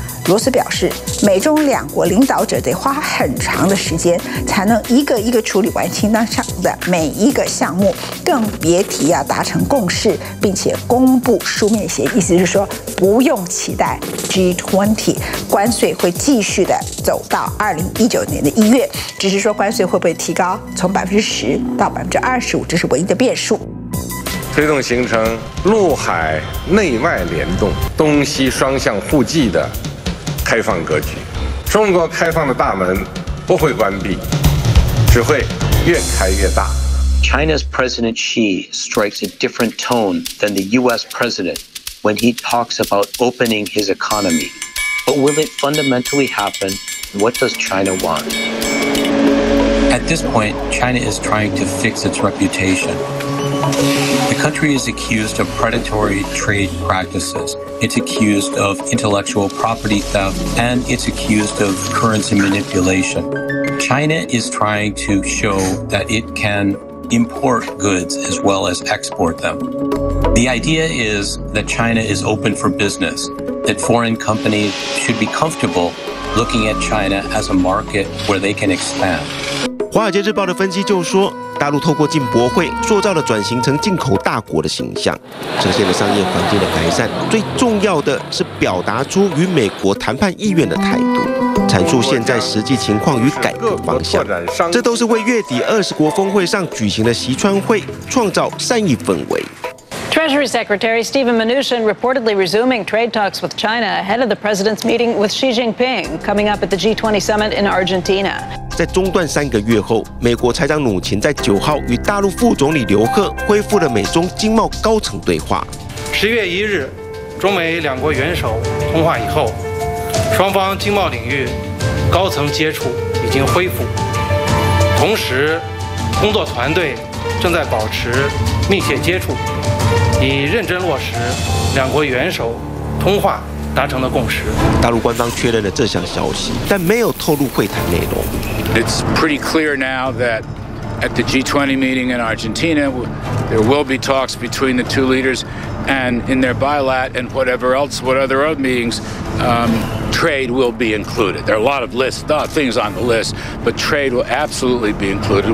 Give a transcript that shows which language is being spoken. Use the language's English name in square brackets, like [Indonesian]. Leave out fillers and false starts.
[Chinese] 罗斯表示，美中两国领导者得花很长的时间才能一个一个处理完清单上的每一个项目，更别提要达成共识并且公布书面协议。意思是说，不用期待 G20 关税会继续的走到2019年的1月，只是说关税会不会提高从10%到25%，这是唯一的变数。推动形成陆海内外联动、东西双向互济的开放格局，中国开放的大门不会关闭，只会越开越大。 [English] China's President Xi strikes a different tone than the U.S. President when he talks about opening his economy. But will it fundamentally happen? What does China want? At this point, China is trying to fix its reputation. The country is accused of predatory trade practices. It's accused of intellectual property theft, and it's accused of currency manipulation. China is trying to show that it can import goods as well as export them. The idea is that China is open for business, that foreign companies should be comfortable looking at China as a market where they can expand. [Chinese] 华尔街日报的分析就说，大陆透过进博会塑造了转型成进口大国的形象，呈现了商业环境的改善，最重要的是表达出与美国谈判意愿的态度，阐述现在实际情况与改革方向，这都是为月底20国峰会上举行的习川会创造善意氛围。 [English] Treasury Secretary Steven Mnuchin reportedly resuming trade talks with China ahead of the president's meeting with Xi Jinping coming up at the G20 summit in Argentina. [Chinese] 在中断三个月后，美国财长努钦在9号与大陆副总理刘鹤恢复了美中经贸高层对话。 10月1日，中美两国元首通话以后，双方经贸领域高层接触已经恢复，同时工作团队正在保持密切接触。以认真落实两国元首通话达成的共识。大陆官方确认了这项消息，但没有透露会谈内容。 [English] It's pretty clear now that At the G20 meeting in Argentina, there will be talks between the two leaders and in their bilat and whatever else, what other meetings, trade will be included. There are a lot of lists, things on the list, but trade will absolutely be included.